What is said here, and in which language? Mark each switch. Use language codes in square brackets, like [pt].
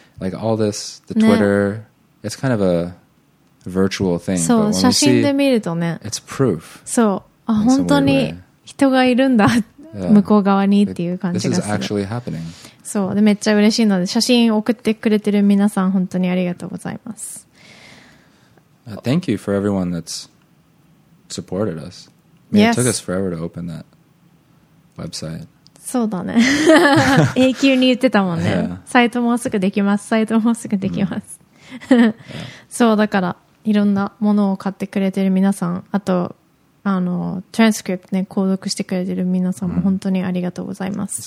[en] Like all this, the Twitter,、ね、it's kind of a virtual thing. [ja] そう、写真で見るとね。 [en] It's proof. [ja] そう。あ、本当に人がいるんだ。向こう側にっていう感じがする。 [en] This is actually happening. [ja] そう。で、めっちゃ嬉しいので、写真送ってくれてる皆さん、本当にありがとうございます。 [en] Thank you for everyone that's supported us. I mean, yes. It took us forever to open that website. [ja] そうだね永久に言ってたもんね、 [en] yeah. [ja] サイトもうすぐできます、 [en] yeah. [ja] そうだからいろんなものを買ってくれてる皆さん、あとトランスクリプトね、購読してくれてる皆さんも本当にありがとうございます。